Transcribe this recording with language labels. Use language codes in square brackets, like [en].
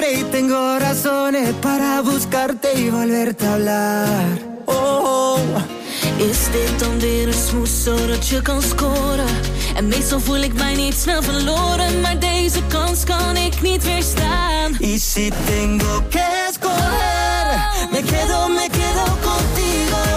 [es] tengo razones para buscarte y volverte a hablar. Oh, oh. [nl] Is dit dan weer een smoes zodat je kan scoren? En meestal voel ik mij niet snel verloren, maar deze kans kan ik niet weerstaan. [es] Y si tengo que escoger, me quedo contigo.